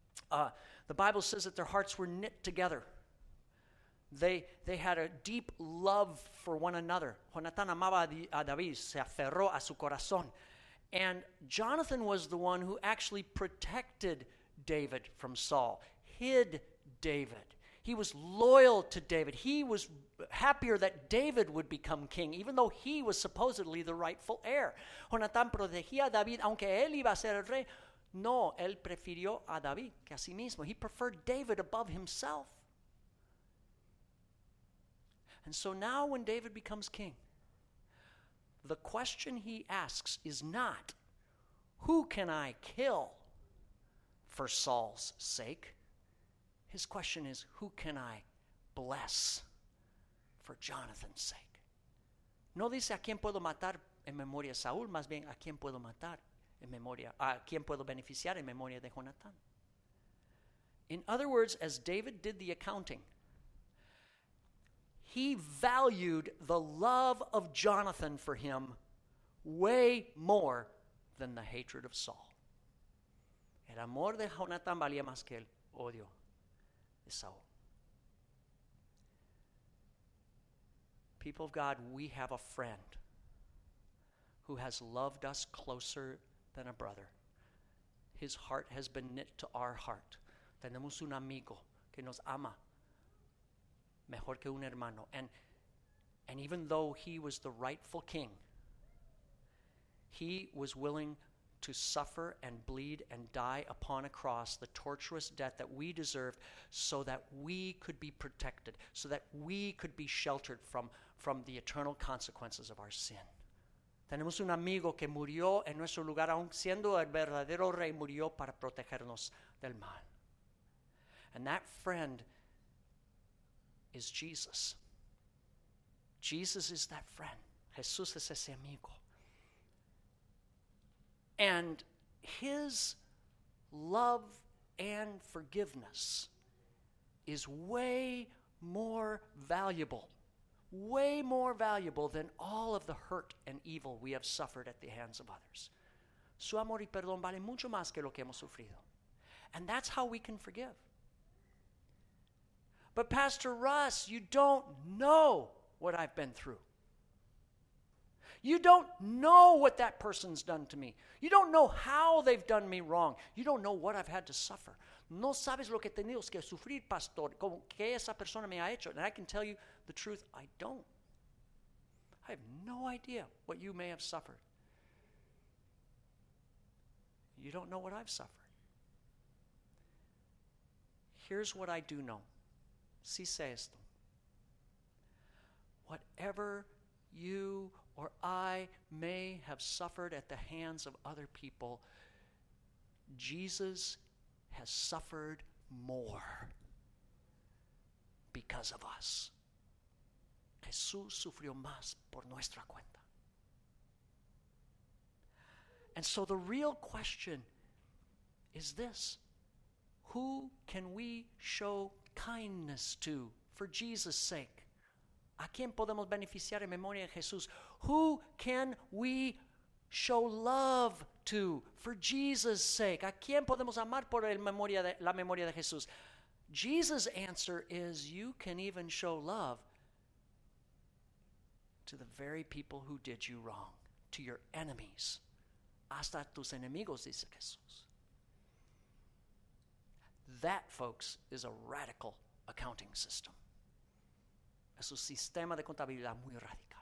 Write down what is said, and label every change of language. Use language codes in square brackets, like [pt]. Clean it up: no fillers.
[en] The Bible says that their hearts were knit together. They had a deep love for one another. [es] Jonathan amaba a David, se aferró a su corazón. [en] And Jonathan was the one who actually protected David from Saul, hid David. He was loyal to David. He was happier that David would become king, even though he was supposedly the rightful heir. [es] Jonathan protegía a David, aunque él iba a ser el rey. No, él prefirió a David que a sí mismo. [en] He preferred David above himself. And so now when David becomes king, the question he asks is not, "Who can I kill for Saul's sake?" His question is, "Who can I bless for Jonathan's sake?" [es] No dice, "A quién puedo matar en memoria de Saúl," más bien, "A quién puedo matar en memoria, a quién puedo beneficiar en memoria de Jonathan." [en] In other words, as David did the accounting, he valued the love of Jonathan for him way more than the hatred of Saul. [es] El amor de Jonathan valía más que el odio. [en] So, people of God, we have a friend who has loved us closer than a brother. His heart has been knit to our heart. [es] Tenemos un amigo que nos ama mejor que un hermano. [en] And even though he was the rightful king, he was willing to suffer and bleed and die upon a cross, the torturous death that we deserved, so that we could be protected, so that we could be sheltered from the eternal consequences of our sin. [es] Tenemos un amigo que murió en nuestro lugar, aun siendo el verdadero rey, murió para protegernos del mal. [en] And that friend is Jesus. Jesus is that friend. [es] Jesús es ese amigo. [en] And his love and forgiveness is way more valuable. Way more valuable than all of the hurt and evil we have suffered at the hands of others. [es] Su amor y perdón vale mucho más que lo que hemos sufrido. [en] And that's how we can forgive. But Pastor Russ, you don't know what I've been through. You don't know what that person's done to me. You don't know how they've done me wrong. You don't know what I've had to suffer. [es] No sabes lo que he tenido que sufrir, pastor, como que esa persona me ha hecho. [en] And I can tell you the truth, I don't. I have no idea what you may have suffered. You don't know what I've suffered. Here's what I do know. [es] Si sé esto. [en] Whatever you or I may have suffered at the hands of other people, Jesus has suffered more because of us. [es] Jesús sufrió más por nuestra cuenta. [en] And so the real question is this: who can we show kindness to for Jesus' sake? [es] ¿A quién podemos beneficiar en memoria de Jesús? [en] Who can we show love to for Jesus' sake? [es] ¿A quién podemos amar por la memoria de Jesús? [en] Jesus' answer is you can even show love to the very people who did you wrong, to your enemies. [es] Hasta tus enemigos, dice Jesús. [en] That, folks, is a radical accounting system. [es] Es un sistema de contabilidad muy radical.